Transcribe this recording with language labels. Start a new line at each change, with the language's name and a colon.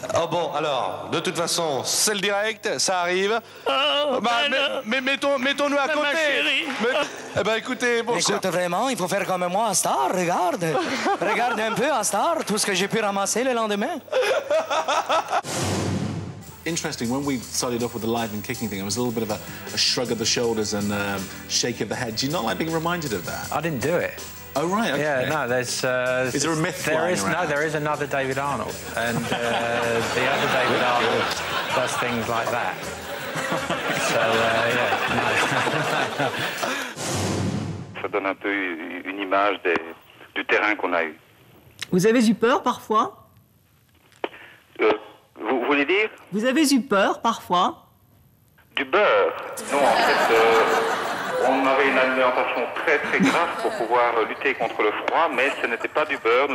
French: Oh bon, alors, de toute façon, c'est le direct, ça arrive. Oh, bah, ben mais mettons-nous à côté. Ma chérie. Eh ben, écoutez, bon. Écoute, vraiment, il faut faire comme moi, Astar, regarde. Regarde un peu, Astar, tout ce que j'ai pu ramasser le lendemain.
English: Interesting, when we started off with the live and kicking thing, it was a little bit of a shrug of the shoulders and a shake of the head. Do you not like being reminded of that? I didn't do it. Oh, right, okay. Yeah, no, there's... is there a myth there flying is, around? No, there is another David Arnold. And the other David Arnold does things like that. So, yeah.
French: Ça donne un peu une image du terrain qu'on a eu. Vous avez eu peur, parfois? Vous voulez dire ? Vous avez eu peur, parfois ? Du beurre ? Non, en fait, on avait une alimentation très, très grasse pour pouvoir lutter contre le froid, mais ce n'était pas du beurre.